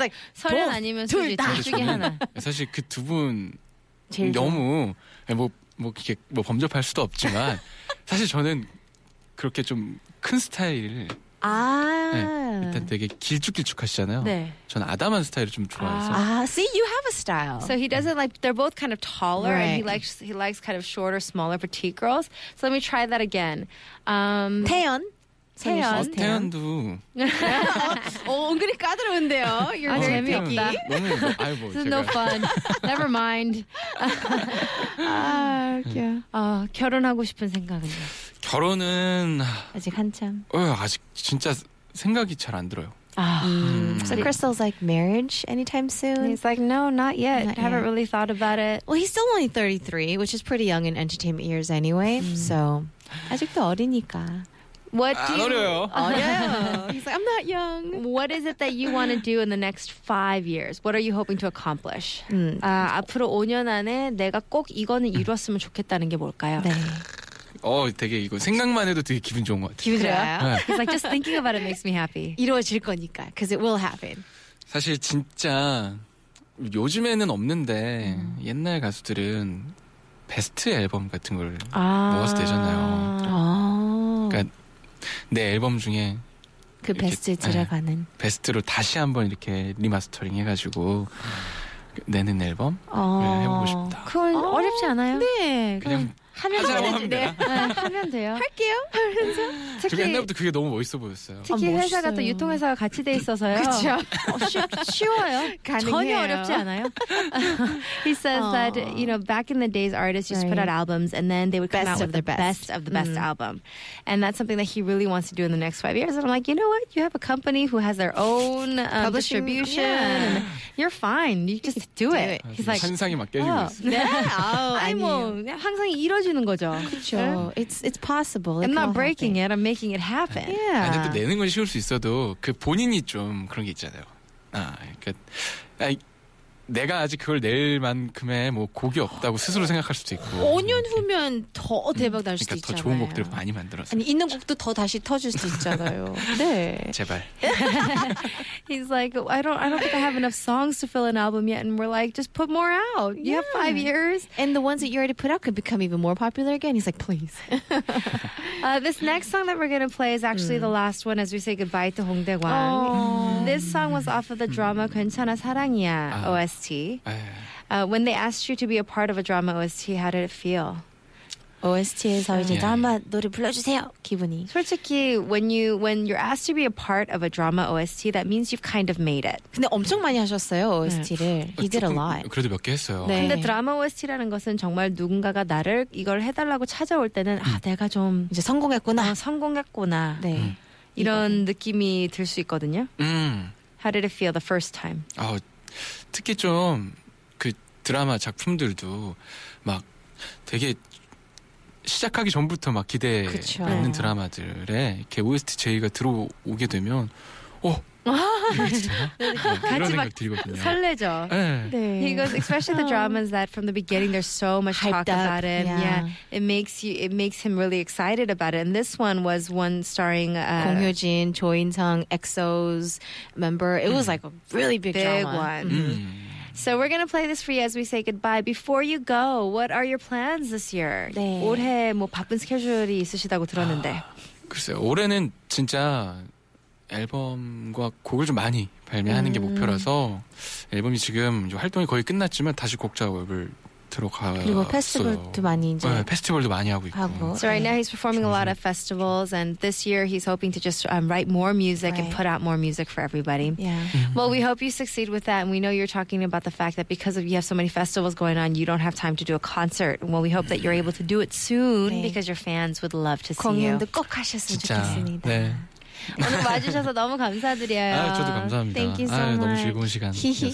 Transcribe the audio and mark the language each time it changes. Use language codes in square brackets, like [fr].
[ko] like, 서련 아니면 수지 둘 중에 하나. 사실 그 두 분 너무 뭐 범접할 수도 없지만 사실 저는 그렇게 좀 큰 스타일을 아 일단 되게 길쭉길쭉하시잖아요. 네. 전 아담한 스타일을 좀 좋아해서. [en] 아, see, you have a style. So he doesn't like. They're both kind of taller, right. And he likes kind of shorter, smaller petite girls. So let me try that again. [ko] 태연. 태연도. 은근히 까다로운데요. [en] You're very picky. [ko] 너무 아이고. [en] This is no fun. Never mind. [ko] 아, 결혼하고 싶은 생각은요? 결혼은 아직 한참. 아직 진짜 생각이 잘 안 들어요. [en] So Crystal's like marriage anytime soon. He's like, no, not yet. I haven't really thought about it. Well, he's still only 33, which is pretty young in entertainment years anyway. So [ko] 아직도 어리니까. [en] What do you? He's like, I'm not young. What is it that you want to do in the next 5 years? What are you hoping to accomplish? [ko] 앞으로 5년 안에 내가 꼭 이거는 이루었으면 좋겠다는 게 뭘까요? 네. 되게 이거 생각만 해도 되게 기분 좋은 것 같아요. 기분 좋아요? 네. [en] He's like, just thinking about it makes me happy. [ko] 이루어질 거니까, [en] because it will happen. [ko] 사실 진짜 요즘에는 없는데 옛날 가수들은 베스트 앨범 같은 걸 모아서 되잖아요. 내 앨범 중에 그 베스트에 이렇게, 들어가는 네, 베스트로 다시 한번 이렇게 리마스터링 해가지고 내는 앨범 해보고 싶다. 그건 어렵지 않아요. 네, 그냥 하면 돼요. 할게요. 특히 옛날부터 그게 너무 멋있어 보였어요. 특히 회사가 또 유통회사가 같이 돼 있어서요. 그렇죠. 쉬워요. 가능해요. 전혀 어렵지 않아요. [en] He says that you know back in the days, artists used to put out albums and then they would come out with the best of the best album, and that's something that he really wants to do in the next 5 years. And I'm like, you know what? You have a company who has their own distribution. Yeah. You're fine. You just do it. He's like, [ko] 환상이 막 깨지고 있어. 네. 아니 뭐 항상 이 이루어지는 거죠. 그렇죠. [en] It's possible. I'm not breaking it. I'm making it happen. Yeah. [ko] 아니 또 내는 건 쉬울 수 있어도 그 본인이 좀 그런 게 있잖아요. 그러니까 내가 아직 그걸 낼 만큼의 뭐 곡이 없다고 스스로 생각할 수도 있고. 5년 후면 더 대박 날 수도 그러니까 있잖아요. 그러니까 더 좋은 곡들을 많이 만들어서. 아니 있는 곡도 더 다시 터질 수 있잖아요. 네. 제발. [en] He's like, I don't think I have enough songs to fill an album yet. And we're like, just put more out. You have 5 years. And the ones that you already put out could become even more popular again. He's like, please. This next song that we're going to play is actually the last one as we say goodbye to 홍대광. Oh. This song was off of the drama 괜찮아 사랑이야 OST. When they asked you to be a part of a drama OST, how did it feel? [ko] OST에서 이제 드라마 노래 불러주세요 기분이 [en] 솔직히 when you're asked to be a part of a drama OST that means you've kind of made it [ko] 근데 엄청 많이 하셨어요 OST를 네. [en] He did a lot [ko] 그래도 몇 개 했어요 네. 근데 드라마 OST라는 것은 정말 누군가가 나를 이걸 해달라고 찾아올 때는 내가 좀 이제 성공했구나 네 이런 느낌이 들 수 있거든요 [en] How did it feel the first time? [ko] 특히 좀 그 드라마 작품들도 막 되게 시작하기 전부터 막 기대하는 드라마들에 이렇게 OST 제의가 들어오게 되면 이런 생각 들거든요. 설레죠. 네. 네. [en] Because especially the dramas that from the beginning there's so much Hyped talk up. about him. Yeah. Yeah. It makes you. It makes him really excited about it. And this one was one starring Kong Hyo Jin, Cho In Sung, EXO's member. It was like a really big, big drama. One. Mm. So we're going to play this for you as we say goodbye. Before you go, what are your plans this year? [ko] 네. 올해 뭐 바쁜 스케줄이 있으시다고 들었는데. 글쎄요. 올해는 진짜 앨범과 곡을 좀 많이 발매하는 게 목표라서 앨범이 지금 이제 활동이 거의 끝났지만 다시 곡 작업을 들어가요. 그리고 페스티벌도 많이 이제 네, 페스티벌도 많이 하고 있고. 하고. [en] So right now he's performing a lot of festivals and this year he's hoping to just write more music right. and put out more music for everybody. Yeah. Well, we hope you succeed with that and we know you're talking about the fact that because of you have so many festivals going on, you don't have time to do a concert. Well, we hope that you're able to do it soon 네. because your fans would love to see you. [ko] 공연도 꼭 하셨으면 진짜, 좋겠습니다. 네. 오늘 와주셔서 너무 감사드려요. 아, 저도 감사합니다. [en] Thank you so 아유, much. [ko] 너무 즐거운 시간이었어요.